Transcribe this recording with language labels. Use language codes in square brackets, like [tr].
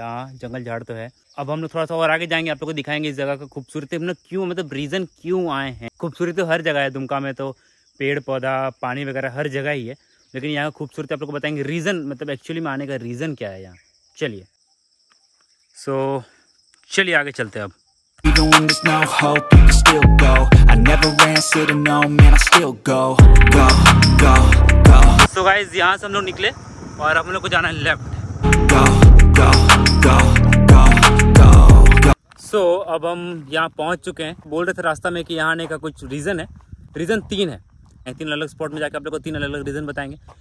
[hi] हाँ जंगल झाड़ तो है। अब हम लोग थोड़ा सा और आगे जाएंगे, आप लोगों को दिखाएंगे इस जगह का खूबसूरती, हम लोग क्यों मतलब रीज़न क्यों आए हैं। खूबसूरती तो हर जगह है दुमका में, तो पेड़ पौधा पानी वगैरह हर जगह ही है, लेकिन यहाँ का खूबसूरती आप लोग को बताएंगे रीज़न, मतलब एक्चुअली में आने का रीज़न क्या है यहाँ। चलिए सो चलिए आगे चलते अब। [en] Even when there's no hope, you can still go. I never answer to no, man, I still go. Go, go, go. [hi] So guys, यहाँ से हम लोग निकले और हम लोग को जाना है left. [en] Go, go, go, go, go, go. [hi] So अब हम यहाँ पहुँच चुके हैं। बोल रहे थे रास्ता में कि यहाँ आने का कुछ रीज़न है, रीज़न तीन है, तीन अलग स्पॉट में जाके आप लोग को तीन अलग अलग रीज़न बताएंगे।